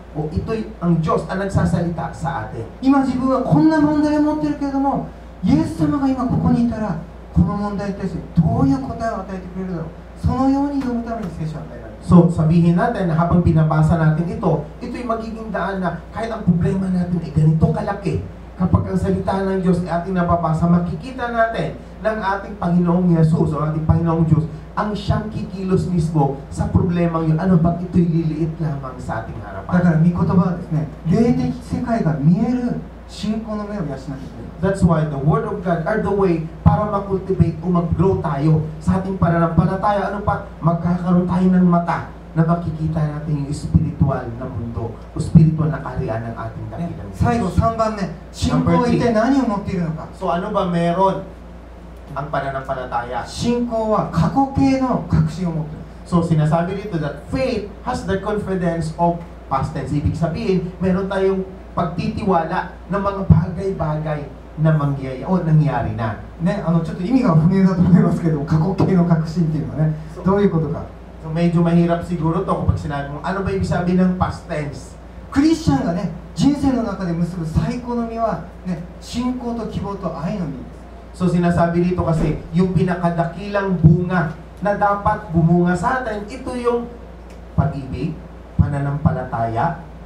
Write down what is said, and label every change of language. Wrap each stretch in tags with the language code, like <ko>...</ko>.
<tl>O ito'y ang Diyos ang nagsasalita sa atin.</tl> <ja>今自分はこんな問題を持ってるけれども、イエス様が今ここにいたら、この問題に対してどういう答えを与えてくれるだろう。そのように読むために聖書を与えられる。</ja> <tl>So, sabihin natin na habang binabasa natin ito, ito'y magiging daan na kahit ang problema natin ay ganito kalaki, kapag ang salita ng Diyos ay ating nababasa, makikita natin ng ating Panginoong Yesus o ating Panginoong Diyos ang siyang kikilos mismo sa problema yun. Ano ba ito'y liliit lamang sa ating harapan?</tl> <ja>Kaya, may kotoba ですね, 霊的世界が見える信仰の目を養ってくれる。</ja> <en>That's why the Word of God are the way</en> <tl>para makultivate o maggrow tayo sa ating pananampalataya. Ano pa? Magkakaroon tayo ng mata na makikita natin yung spiritual na mundo o spiritual na kaharian ng ating Panginoon.</tl> <ja>Sa iyo, 3 banne, 信仰一体何を持っているのか?</ja> <tl>So ano ba meron ang pananampalataya?</tl> <ja>信仰は過去形の確信を持っている。</ja> <tl>So sinasabi dito</tl> <en>that faith has the confidence of past tense.</en> <tl>Ibig sabihin, meron tayong pagtitiwala ng mga bagay-bagay na mangyayari o nangyari na.</tl> <ja>Ne, ano, ちょっと意味が不明だと思いますけど、過去形の確信っていうのはね、so, どういうことか。</ja> <tl>So, medyo mahirap siguro to kapag sinabi mo, ano ba ibig sabihin ng past tense?</tl> <ja>Christian がね、人生の中で結ぶ最高の実は、ね、信仰と希望と愛の実です。</ja> <tl>So, sinasabi dito kasi, yung pinakadakilang bunga na dapat bumunga sa atin, ito yung pag-ibig, pananampalataya,</tl>